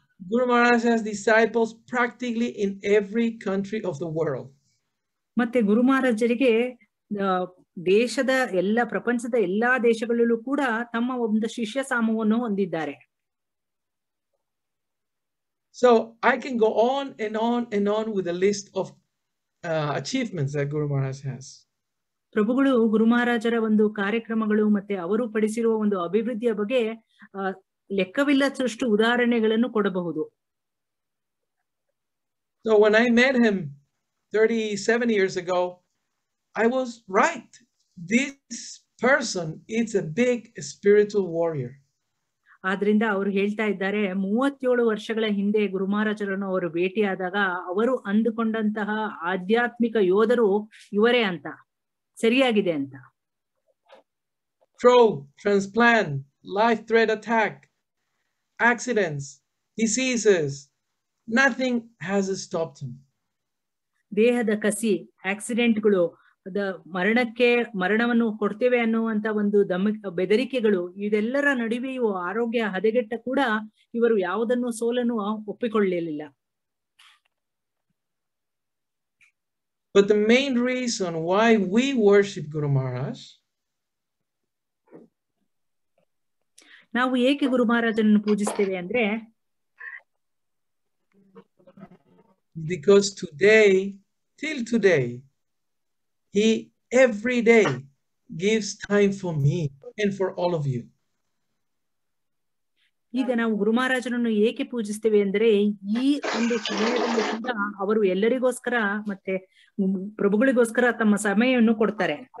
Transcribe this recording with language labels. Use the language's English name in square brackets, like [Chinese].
[English] Guru Maharaj has disciples practically in every country of the world. [Kannada] ಮತ್ತೆ ಗುರು ಮಹಾರಾಜರಿಗೆ ದೇಶದ ಎಲ್ಲ ಪ್ರಪಂಚದ ಎಲ್ಲಾ ದೇಶಗಳಲ್ಲೂ ಕೂಡ ತಮ್ಮ ಒಂದು ಶಿಷ್ಯ ಸಾಮೂಹವನ್ನು ಹೊಂದಿದ್ದಾರೆ. [English] So I can go on and on and on with a list of achievements that Guru Maharaj has. [Kannada] ಪ್ರಭುಗಳು ಗುರು ಮಹಾರಾಜರ ಒಂದು ಕಾರ್ಯಕ್ರಮಗಳು ಮತ್ತೆ ಅವರು ಪಡಿಸಿರುವ ಒಂದು ಅಭಿವೃದ್ಧಿಯ ಬಗ್ಗೆ ಲೆಕ್ಕವಿಲ್ಲದಷ್ಟು ಉದಾಹರಣೆಗಳನ್ನು ಕೊಡಬಹುದು. [English] So when I met him 37 years ago, I was right. This person is a big spiritual warrior. [Kannada] ಆದ್ರಿಂದ ಅವರು ಹೇಳ್ತಾ ಇದ್ದಾರೆ, 37 ವರ್ಷಗಳ ಹಿಂದೆ ಗುರು ಮಹಾರಾಜರನ್ನು ಅವರು ಭೇಟಿಯಾದಾಗ ಅವರು ಅಂದುಕೊಂಡಂತಹ ಆಧ್ಯಾತ್ಮಿಕ ಯೋಧರು ಇವರೇ ಅಂತ, ಸರಿಯಾಗಿದೆ ಅಂತ. [English] Throw, transplant, life threat attack, accidents, diseases, nothing has stopped him. [Kannada] ದೇಹದ ಕಸಿ, ಆಕ್ಸಿಡೆಂಟ್ಗಳು, ಮರಣಕ್ಕೆ ಮರಣವನ್ನು ಕೊಡ್ತೇವೆ ಅನ್ನುವಂತ ಒಂದು ಬೆದರಿಕೆಗಳು, ಇದೆಲ್ಲರ ನಡುವೆಯೂ ಆರೋಗ್ಯ ಹದಗೆಟ್ಟ ಕೂಡ ಇವರು ಯಾವುದನ್ನು ಸೋಲನ್ನು ಒಪ್ಪಿಕೊಳ್ಳಲಿಲ್ಲ. [English] But the main reason why we worship Guru Maharaj, [Kannada] ನಾವು ಏಕೆ ಗುರು ಮಹಾರಾಜನನ್ನು ಪೂಜಿಸ್ತೇವೆ ಅಂದ್ರೆ, [English] because today, till today, he every day gives time for me and for all of you. [Kannada] ಈಗ ನಾವು ಗುರು ಮಹಾರಾಜನನ್ನು ಏಕೆ ಪೂಜಿಸ್ತೇವೆ ಅಂದ್ರೆ, ಈ ಒಂದು ಸಮಯದಲ್ಲಿ ಕೂಡ ಅವರು ಎಲ್ಲರಿಗೋಸ್ಕರ ಮತ್ತೆ ಪ್ರಭುಗಳಿಗೋಸ್ಕರ ತಮ್ಮ ಸಮಯವನ್ನು ಕೊಡ್ತಾರೆ.